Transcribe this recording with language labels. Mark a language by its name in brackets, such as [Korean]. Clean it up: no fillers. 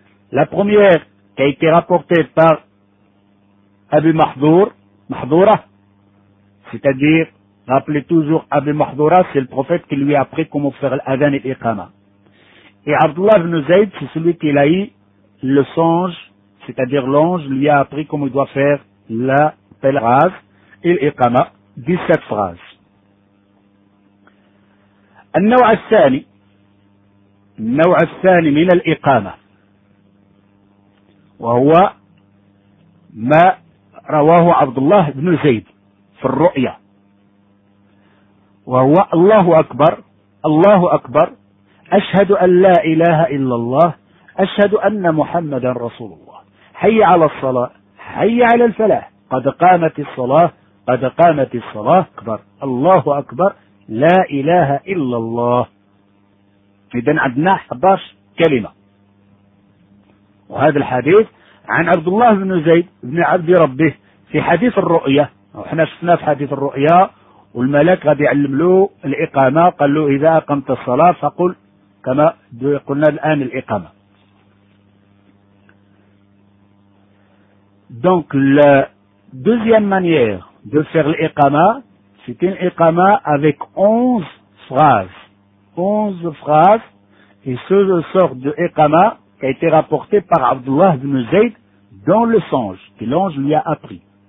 [French] La première qui a été rapportée par Abu Mahdour, Mahdoura, c'est-à-dire, rappelez toujours Abu Mahdoura, c'est le prophète qui lui a appris comment faire l'Adhan et l'Iqama. Et Abdullah ibn Zayd, c'est celui qui l'a eu le songe, c'est-à-dire l'ange, lui a appris comment il doit faire la phrase et l'iqama, 17 phrases. [Arabic] النوع الثاني, النوع الثاني من الإقامة, وهو ما رواه عبد الله بن زيد في الرؤيا, وهو الله أكبر, الله أكبر, أشهد أن لا إله إلا الله, أشهد أن محمدا رسول الله حي على الصلاة حي على الفلاح قد قامت الصلاة قد قامت الصلاة أكبر الله أكبر لا إله إلا الله إذن عندنا 11 كلمة وهذا الحديث عن عبد الله بن زيد بن عبد ربه في حديث الرؤية وحنا شفنا في حديث الرؤية والملك غادي يعلم له الإقامة قال له إذا أقمت الصلاة فقل كما قلنا الآن الإقامة [French] Donc la deuxième manière de faire l'iqama, c'est une iqama avec 11 phrases. 11 phrases, et ce sort de iqama qui a été rapporté par Abdullah ibn Zayd dans le songe, que l'ange lui a appris.